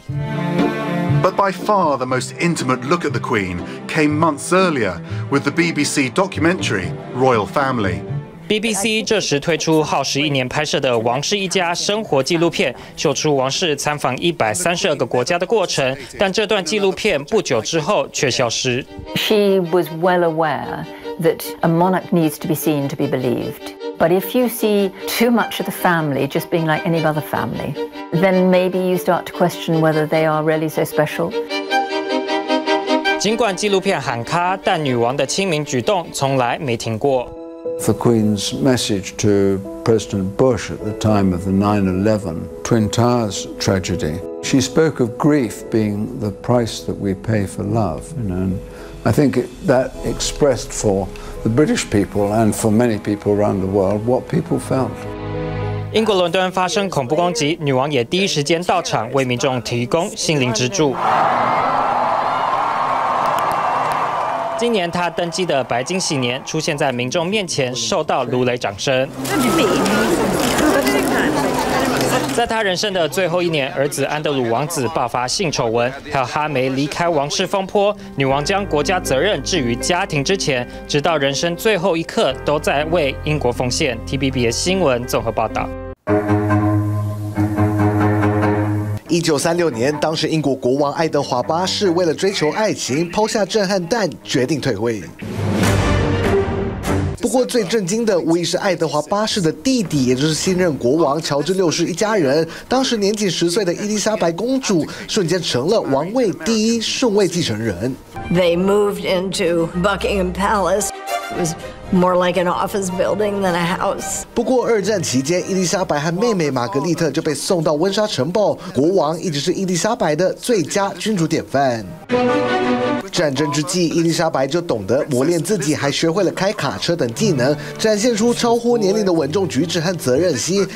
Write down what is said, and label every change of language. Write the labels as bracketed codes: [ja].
[en] But by far the most intimate look at the Queen came months earlier with the BBC documentary Royal Family. [zh] BBC 这时推出耗时一年拍摄的《王室一家》生活纪录片，秀出王室参访132个国家的过程。但这段纪录片不久之后却消失。 [en] She was well aware that a monarch needs to be seen to be believed. But if you see too much of the family just being like any other family, then maybe you start to question whether they are really so special. [zh] 尽管纪录片喊卡，但女王的亲民举动从来没停过。 [en] The Queen's message to President Bush at the time of the 9/11 Twin Towers tragedy. She spoke of grief being the price that we pay for love, you know, and I think that expressed for the British people and for many people around the world what people felt. [zh] 英国伦敦发生恐怖攻击，女王也第一时间到场为民众提供心灵支柱。今年他登基的白金禧年出现在民众面前，受到如雷掌声。在他人生的最后一年，儿子安德鲁王子爆发性丑闻，还有哈梅离开王室风波，女王将国家责任置于家庭之前，直到人生最后一刻都在为英国奉献。 TBB 的新闻综合报道。 1936年，当时英国国王爱德华八世为了追求爱情，抛下震撼弹，决定退位。不过最震惊的，无疑是爱德华八世的弟弟，也就是新任国王乔治六世一家人。当时年仅10岁的伊丽莎白公主，瞬间成了王位第一顺位继承人。 [en] They moved into Buckingham Palace. It was more like an office building than a house. [zh] 不过二战期间，伊丽莎白和妹妹玛格丽特就被送到温莎城堡，国王一直是伊丽莎白的最佳君主典范。战争之际，伊丽莎白就懂得磨练自己，还学会了开卡车等技能，展现出超乎年龄的稳重举止和责任心。